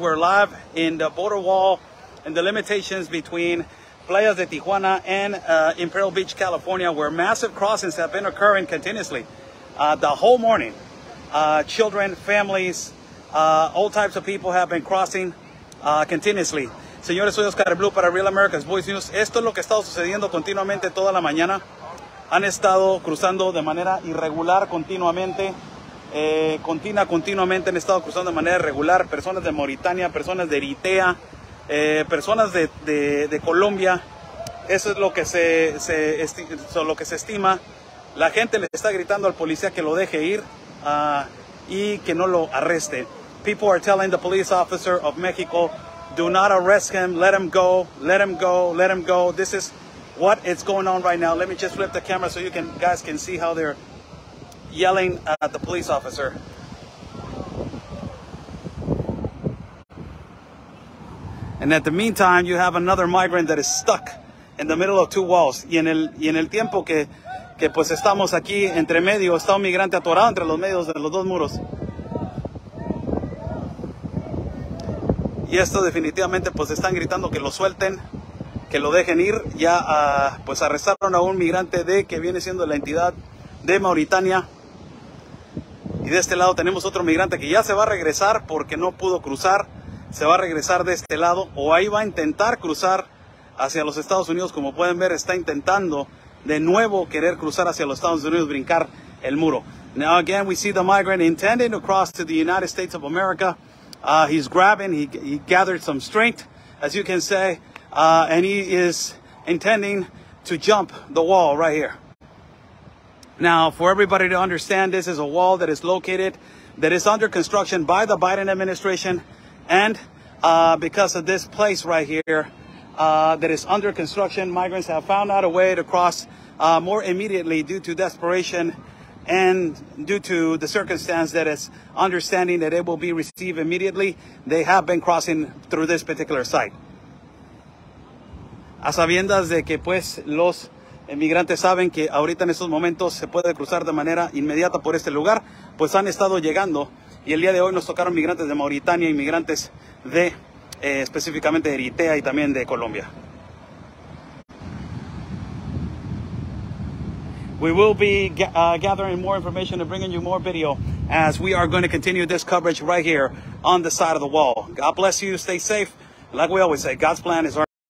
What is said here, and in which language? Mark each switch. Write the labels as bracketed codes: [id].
[en] We're live in the border wall and the limitations between Playas de Tijuana and Imperial Beach, California, where massive crossings have been occurring continuously the whole morning. Children, families, all types of people have been crossing continuously. [es] Señores, soy Oscar Blue para Real America's Voice News. Esto es lo que ha estado sucediendo continuamente toda la mañana. Han estado cruzando de manera irregular continuamente. Continuamente han estado cruzando de manera irregular. Personas de Mauritania, personas de Eritrea, personas de Colombia. Eso es lo que se estima. La gente le está gritando al policía que lo deje ir y que no lo arreste. [en] People are telling the police officer of Mexico, do not arrest him, let him go, let him go, let him go. This is what is going on right now. Let me just flip the camera so you can guys can see how they're yelling at the police officer. And at the meantime, you have another migrant that is stuck in the middle of two walls. [es] Y en el tiempo que pues estamos aquí entre medio, está un migrante atorado entre los medios de los dos muros. Y esto definitivamente pues están gritando que lo suelten, que lo dejen ir. Ya pues arrestaron a un migrante de que viene siendo la entidad de Mauritania. Y de este lado tenemos otro migrante que ya se va a regresar porque no pudo cruzar. Se va a regresar de este lado o ahí va a intentar cruzar hacia los Estados Unidos. Como pueden ver, está intentando de nuevo querer cruzar hacia los Estados Unidos, brincar el muro. [en] Now again we see the migrant intending to cross to the United States of America. He's grabbing, he gathered some strength, as you can say, and he is intending to jump the wall right here. Now, for everybody to understand, this is a wall that is located, that is under construction by the Biden administration, and because of this place right here that is under construction, migrants have found out a way to cross more immediately due to desperation and due to the circumstance that is understanding that it will be received immediately. They have been crossing through this particular site. [es] A sabiendas de que pues los inmigrantes saben que ahorita en estos momentos se puede cruzar de manera inmediata por este lugar, pues han estado llegando y el día de hoy nos tocaron migrantes de Mauritania, inmigrantes de específicamente de Eritrea y también de Colombia. [en] We will be gathering more information and bringing you more video as we are going to continue this coverage right here on the side of the wall. God bless you. Stay safe. Like we always say, God's plan is our